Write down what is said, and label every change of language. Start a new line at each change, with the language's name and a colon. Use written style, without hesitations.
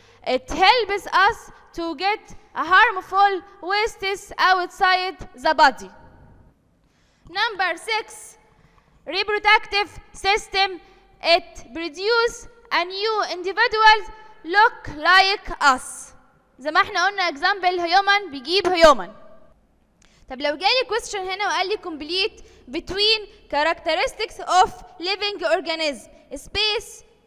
English: It helps us to get a harmful wastes outside the body. Number six reproductive system. It produce a new individual look like us.
Arabic: زي ما احنا قلنا
English: example human
Arabic: بيجيب
English: human.
Arabic: طب لو جالي
English: question
Arabic: هنا وقال لي
English: complete between characteristics of living organism space.